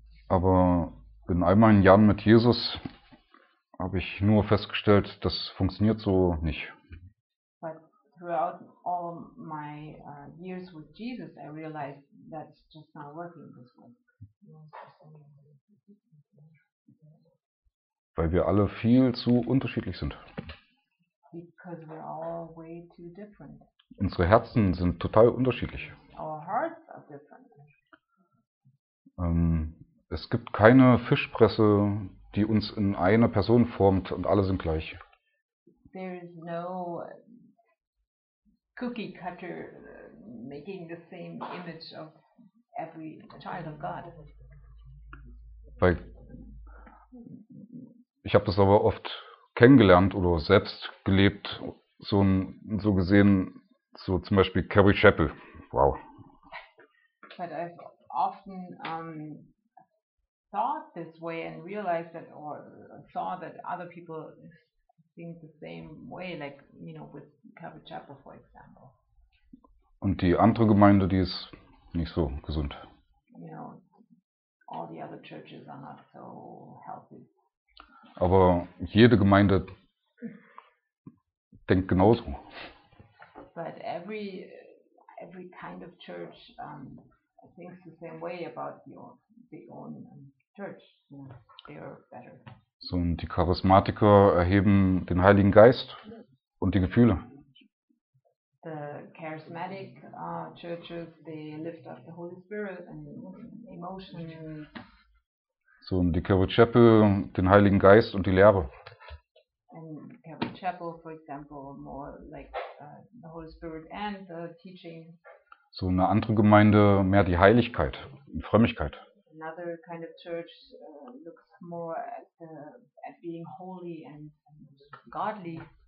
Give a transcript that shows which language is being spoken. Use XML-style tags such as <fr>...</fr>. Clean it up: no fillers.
<de>Aber in all meinen Jahren mit Jesus habe ich nur festgestellt, das funktioniert so nicht.</de> <en>But throughout all my years with Jesus, I realized that's just not working this way.</en> <de>Weil wir alle viel zu unterschiedlich sind.</de> <en>Because we're all way too different.</en> <de>Unsere Herzen sind total unterschiedlich.</de> <en>Our hearts are different.</en> <de>Es gibt keine Fischpresse, die uns in eine Person formt und alle sind gleich.</de> <en>There is no cookie cutter making the same image of every child of God.</en> <de>Weil ich habe das aber oft kennengelernt oder selbst gelebt, so gesehen, so zum Beispiel Carrie Chappell. Wow.</de> <en>But I've often thought this way and realized that, or saw that other people think the same way, like, you know, with Carrie Chappell, for example.</en> <de>Und die andere Gemeinde, die ist nicht so gesund.</de> <en>You know, all the other churches are not so healthy.</en> <de>Aber jede Gemeinde denkt genauso.</de> <en>But every kind of church thinks the same way about the own church. You know, they are better.</en> <de>So, und die Charismatiker erheben den Heiligen Geist und die Gefühle.</de> <en>The charismatic churches, they lift up the Holy Spirit and emotions.</en> <de>So, und die Carrie Chappell, den Heiligen Geist und die Lehre.</de> <en>And Carrie Chappell, for example, more like the Holy Spirit and the teaching.</en> <de>So, eine andere Gemeinde, mehr die Heiligkeit und Frömmigkeit.</de> <en>Another kind of church looks more at being holy and godly.</en>